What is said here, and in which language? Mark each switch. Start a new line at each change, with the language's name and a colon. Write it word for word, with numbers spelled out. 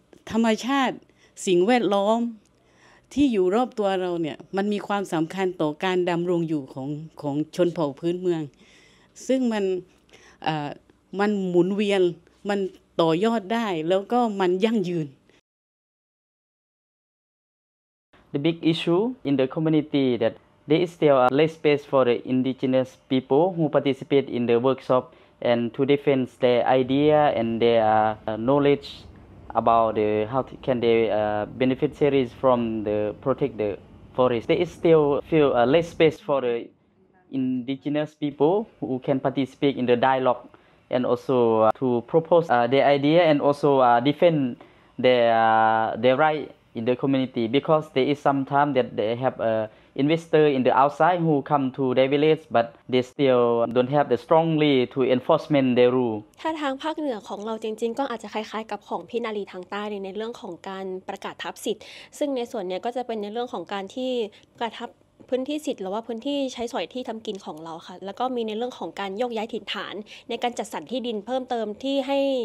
Thai: ธรรมชาติสิ่งแวดล้อมที่อยู่รอบตัวเราเนี่ยมันมีความสำคัญต่อการดำรงอยู่ของของชนเผ่าพื้นเมืองซึ่งมันเอ่อมันหมุนเวียนมันต่อยอดได้แล้วก็มันยั่งยืน
English: The big issue in the community that there is still less space for the indigenous people who participate in the workshop and to defend their idea and their knowledge about the how t- can they uh, benefit series from the protect the forest. There is still feel uh, less space for the indigenous people who can participate in the dialogue and also uh, to propose uh, their idea and also uh, defend their uh, their right in the community because there is sometimes that they have a uh, investor in the outside who come to their village but they still don't have the strongly to enforcement their rule.
Thai: ถ้าทางภาคเหนือของเราจริงๆก็อาจจะคล้ายๆกับของพี่นาลีทางใต้ในเรื่องของการประกาศทับสิทธิ์ซึ่งในส่วนนี้ก็จะเป็นในเรื่องของการที่ประกาศทับพื้นที่สิทธิ์หรือว่าพื้นที่ใช้สอยที่ทำกินของเราค่ะแล้วก็มีในเรื่องของการโยกย้ายถิ่นฐานในการจัดสรรที่ดินเพิ่มเติมที่ให้